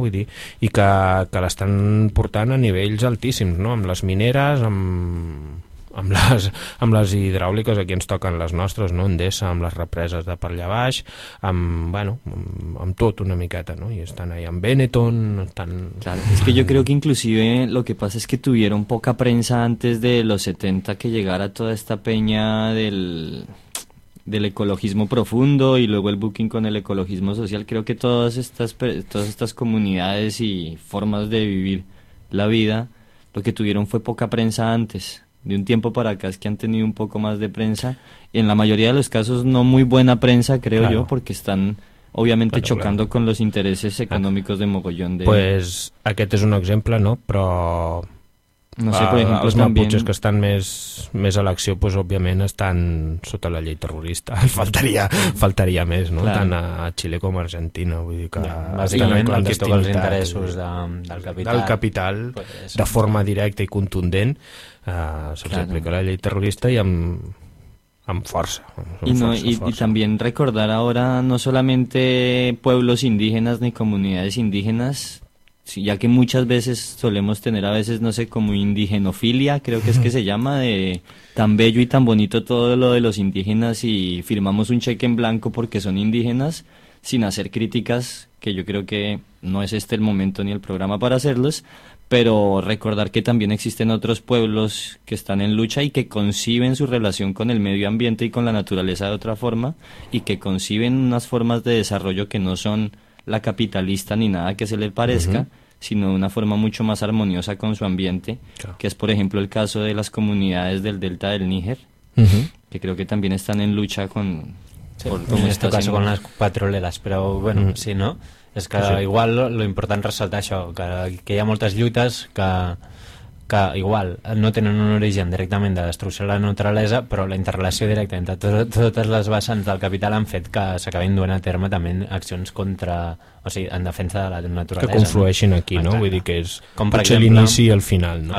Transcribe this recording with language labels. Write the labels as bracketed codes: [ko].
[ca] Vull dir, i que l'estan portant a nivells altíssims, no? Amb les mineres, amb les hidràuliques, aquí ens toquen les nostres, no? Endesa, amb les represes de per allà baix, amb tot una miqueta, no? I estan ahí amb Benetton, estan... [es] Claro, es que yo creo que inclusive lo que pasa es que tuvieron poca prensa antes de los 70, que llegara toda esta peña del ecologismo profundo y luego el booking con el ecologismo social. Creo que todas estas comunidades y formas de vivir la vida, lo que tuvieron fue poca prensa antes. De un tiempo para acá es que han tenido un poco más de prensa, y en la mayoría de los casos no muy buena prensa, creo, claro, yo, porque están obviamente, claro, chocando, claro, con los intereses económicos, claro, de mogollón de... [ca] Pues aquest és un exemple, no? Però no sé, per exemple, els maputxes que estan més a l'acció, pues òbviament estan sota la llei terrorista. Faltaria més, no? Clar. Tant a Xile com a Argentina, vull dir que ja, bàsicament el que estic els interessos del capital. Del capital, de forma directa i contundent, se'ls aplica la llei terrorista i amb força. I també recordar ara [es] no solamente pueblos indígenas ni comunidades indígenas, sí, ya que muchas veces solemos tener, a veces, no sé, como indigenofilia, creo que es que se llama, de tan bello y tan bonito todo lo de los indígenas, y firmamos un cheque en blanco porque son indígenas, sin hacer críticas, que yo creo que no es este el momento ni el programa para hacerlos, pero recordar que también existen otros pueblos que están en lucha y que conciben su relación con el medio ambiente y con la naturaleza de otra forma, y que conciben unas formas de desarrollo que no son la capitalista ni nada que se le parezca, uh-huh, sino de una forma mucho más armoniosa con su ambiente, claro, que es, por ejemplo, el caso de las comunidades del delta del Níger, uh-huh, que creo que también están en lucha con... Sí, por, en este caso con las petroleras, pero bueno, uh-huh, sí, ¿no? Es que sí, igual lo importante resaltar eso, que hay muchas lluitas [ca] que igual no tenen un origen directament de destrucció de la naturalesa, però la interrelació directa entre totes les vessants del capital han fet que s'acabin duent a terme també accions contra, o sigui, en defensa de la naturalesa. Que conflueixin aquí, no? Exacte. Vull dir que és com, per exemple, l'inici i el final. No?